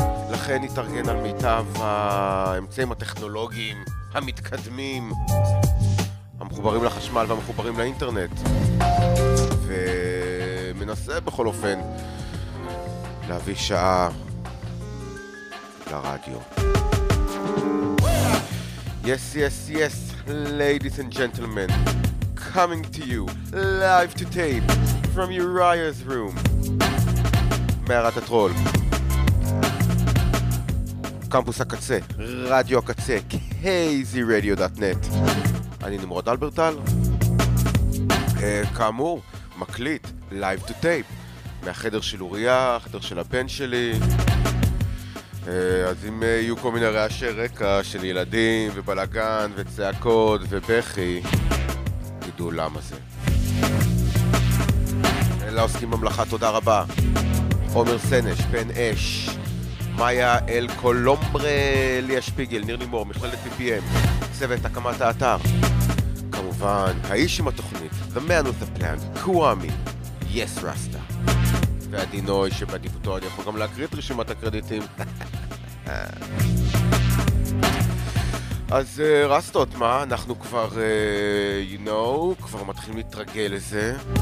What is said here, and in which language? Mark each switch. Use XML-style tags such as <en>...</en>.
<he>לכן התארגן על מיטב האמצעים הטכנולוגיים המתקדמים המחוברים לחשמל והמחוברים לאינטרנט, ומנסה בכל אופן להביא שעה לרדיו.</he> <en>Yes, yes, yes, ladies and gentlemen, coming to you live to tape from Uriah's room,</en> <he>מערת הטרול, קמפוס הקצה, רדיו הקצה,</he> <en>kzradio.net.</en> <he>אני נמרוד אלברטל, כאמור, מקליט</he> <en>live to tape</en> <he>מהחדר של אוריה, החדר של הבן שלי. אז אם יהיו כל מיני רעשי רקע של ילדים ובלגן וצעקות ובכי, תדעו למה זה. אלה עוסקים במלאכה, תודה רבה. עומר סנש, בן אש, מאיה אל קולומברה, ליה שפיגל, ניר לימור, מכללת BPM, צוות הקמת האתר. כמובן, האיש עם התוכנית,</he> <en>The Man with the Plan,</en> <he>קוואמי,</he> <en>Yes Rasta.</en> <he>והדינוי שבדיבותו אני יכול גם להקריא את רשימת הקרדיטים. אז רסטות, מה? אנחנו כבר,</he> <en>you know,</en> <he>כבר מתחילים להתרגל לזה.</he>